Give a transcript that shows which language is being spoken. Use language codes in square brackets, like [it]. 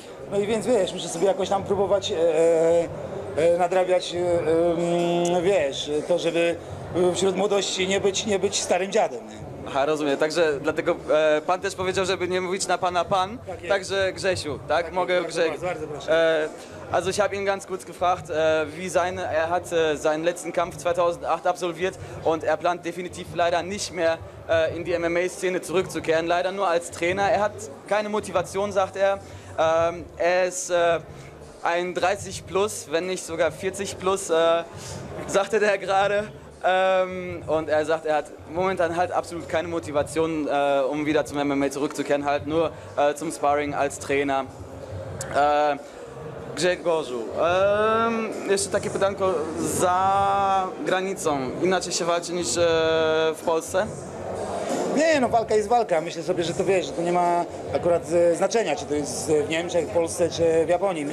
[pl] No i więc wiesz, muszę sobie jakoś tam próbować nadrabiać, wiesz, to, żeby wśród młodości nie być starym dziadem. Aha, rozumiem. Także dlatego pan też powiedział, żeby nie mówić na pana pan. Tak, także Grzesiu, tak? Tak, mogę Grzeg. Bardzo proszę. [de] Also ich habe ihn ganz kurz gefragt, er hat seinen letzten Kampf 2008 absolviert und er plant definitiv leider nicht mehr in die MMA-Szene zurückzukehren. Leider nur als Trainer. Er hat keine Motivation, sagt er. Er ist ein 30 plus, wenn nicht sogar 40 plus, sagte der gerade. Und er sagt, er hat momentan halt absolut keine Motivation, um wieder zum MMA zurückzukehren, halt nur zum Sparring als Trainer. [pl] Grzegorzu, jeszcze takie pytanko za granicą. Inaczej się walczy niż w Polsce? Nie, no walka jest walka. Myślę sobie, że to wiesz, że to nie ma akurat znaczenia, czy to jest w Niemczech, w Polsce, czy w Japonii.